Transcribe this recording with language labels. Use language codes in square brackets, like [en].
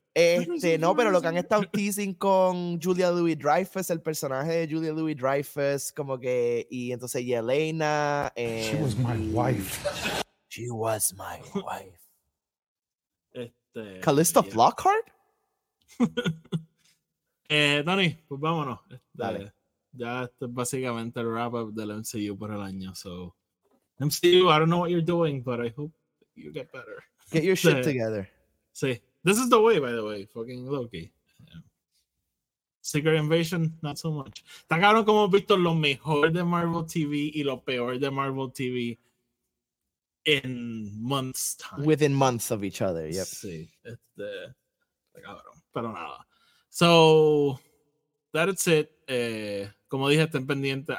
[es] Este, no, pero lo que han estado teasing con Julia Louis-Dreyfus, el personaje de Julia Louis-Dreyfus, como que, y entonces Yelena. [en] She was my wife. [es] Este, Callista Flockhart. Dani, pues vámonos. Este, dale. Ya este es básicamente el wrap up del MCU por el año. [en] So, MCU, I don't know what you're doing, but I hope you get better. Get your shit together. [es] Sí. [en] This is the way, by the way, fucking Loki. Yeah. Secret Invasion, not so much. [es] Tan cabrón como hemos visto lo mejor de Marvel TV y lo peor de Marvel TV [en] in months time. Within months of each other, yep. [es] Sí, este, cabrón, pero nada. [en] So, that's it. [es] Como dije, estén pendientes.